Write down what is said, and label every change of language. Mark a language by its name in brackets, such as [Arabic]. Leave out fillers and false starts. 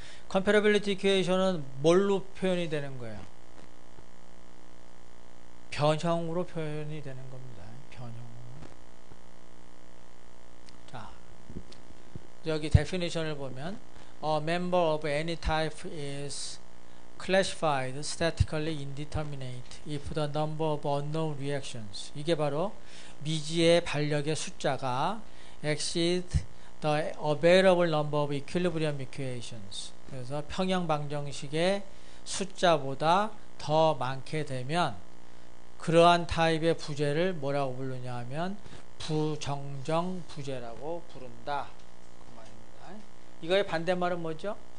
[Korean] Comparability Equation은 뭘로 표현이 되는 거예요? 변형으로 표현이 되는 겁니다. 변형으로. 자, 여기 definition을 보면, [English] A member of any type is classified statically indeterminate if the number of unknown reactions. [Korean] 이게 바로 미지의 반력의 숫자가 [English] exceed the available number of equilibrium equations. [Korean] 그래서 평형 방정식의 숫자보다 더 많게 되면 그러한 타입의 부재를 뭐라고 부르냐 하면 부정적 부재라고 부른다. 이거의 반대말은 뭐죠?